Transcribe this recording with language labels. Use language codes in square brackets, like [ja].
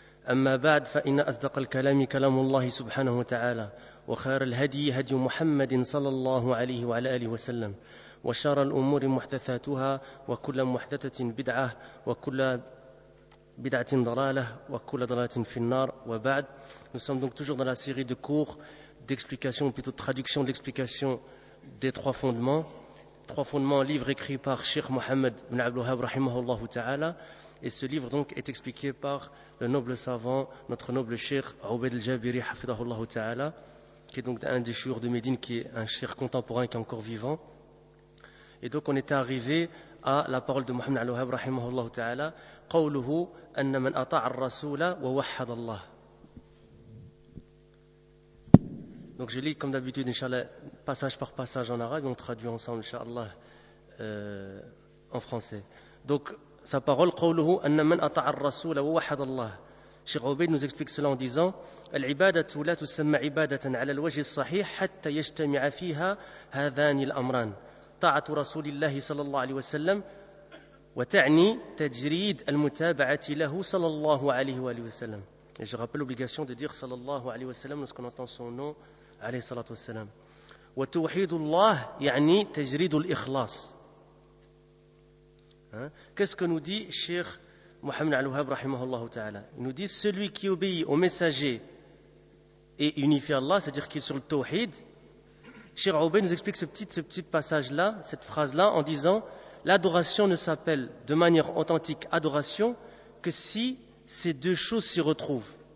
[ar] أما بعد، فإن أصدق الكلام كلام الله سبحانه وتعالى، وخير الهدي هدي محمد صلى الله عليه وعلى آله وسلم، وشر الأمور محدثاتها، وكل محدثة بدعة، وكل بدعة ضلالة، وكل ضلالة في النار. [fr] وبعد، nous sommes donc toujours dans la série de cours d'explication, plutôt de traduction de l'explication des trois fondements, livre écrit par Cheikh Mohammed ibn Abdul Wahhab rahimahullah ta'ala. Et ce livre donc est expliqué par le noble savant, notre noble cheikh Obed al-Jabiri, hafidahullah ta'ala, qui est donc un des chouurs de Médine, qui est un cheikh contemporain qui est encore vivant. Et donc on était arrivé à la parole de Muhammad al-Wahhab rahimahullah ta'ala, « [ar] قوله أن من أطاع الرسول ووحد الله ». [fr] Donc je lis comme d'habitude, inshallah, passage par passage en arabe, et on traduit ensemble, inshallah, en français. Donc, sa parole, [ar] قوله أن من أطاع الرسول ووحد الله. Cheikh Obeid [fr] nous explique cela en disant: [ar] العبادة لا تسمى عبادة على الوجه الصحيح حتى يجتمع فيها هذان الأمران: طاعة رسول الله صلى الله عليه وسلم، وتعني تجريد المتابعة له صلى الله عليه وآله وسلم. [fr] Et je rappelle l'obligation de dire [ar] صلى الله عليه وسلم [fr] lorsqu'on entend son nom, [ar] عليه الصلاة والسلام. وتوحيد الله يعني تجريد الإخلاص. [fr] Qu'est-ce que nous dit Cheikh Mohammed al-Wahhab rahimahullah ta'ala? Il nous dit: celui qui obéit au messager et unifie Allah, c'est-à-dire qu'il est sur le tawhid. Cheikh Obeid nous explique ce petit passage-là, cette phrase-là, en disant: l'adoration ne s'appelle de manière authentique adoration que si ces deux choses s'y retrouvent.